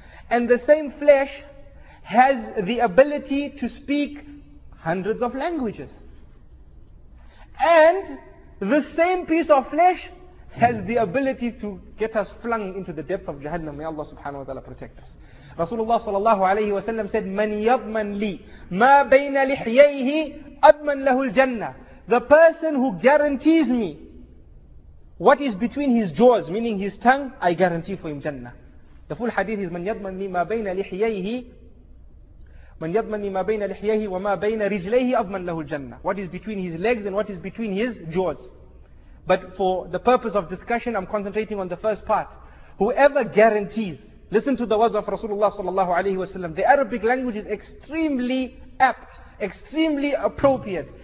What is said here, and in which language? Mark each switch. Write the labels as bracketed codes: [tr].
[en] And the same flesh has the ability to speak hundreds of languages. And the same piece of flesh has the ability to get us flung into the depth of Jahannam. May Allah subhanahu wa ta'ala protect us. Rasulullah sallallahu alayhi wa sallam said, [ar] مَنْ يَضْمَنْ لِي مَا بَيْنَ لِحْيَيْهِ أَضْمَنْ لَهُ الْجَنَّةِ. [en] The person who guarantees me what is between his jaws, meaning his tongue, I guarantee for him Jannah. The full hadith is, [ar] مَنْ يَضْمَنْ لِي مَا بَيْنَ لِحْيَيْهِ مَنْ يَضْمَنْ لِي مَا بَيْنَ لِحْيَيْهِ وَمَا بَيْنَ رِجْلَيْهِ أَضْمَنْ لَهُ الْجَنَّةِ. [en] What is between his legs and what is between his jaws. But for the purpose of discussion, I'm concentrating on the first part. Whoever guarantees, listen to the words of Rasulullah sallallahu alayhi wa sallam. The Arabic language is extremely apt, extremely appropriate.